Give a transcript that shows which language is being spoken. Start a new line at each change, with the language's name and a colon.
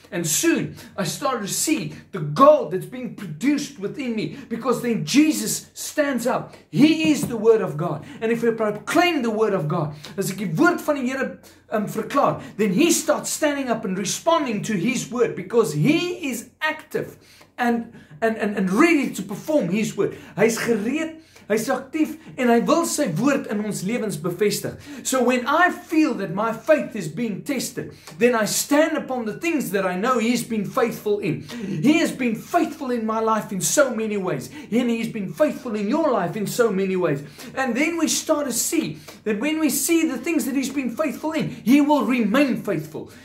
English: And soon I start to see the gold that's being produced within me, because then Jesus stands up. He is the Word of God. And if I proclaim the Word of God,
Afrikaans: as ek die woord van die Here verklaar,
English: then He starts standing up and responding to His Word, because He is active and ready to perform His word.
Afrikaans: Hy is gereed, hy is aktief, en hy wil sy woord in ons lewens bevestig.
English: So when I feel that my faith is being tested, then I stand upon the things that I know He's been faithful in. He has been faithful in my life in so many ways. And He's been faithful in your life in so many ways. And then we start to see that when we see the things that He's been faithful in, He will remain faithful.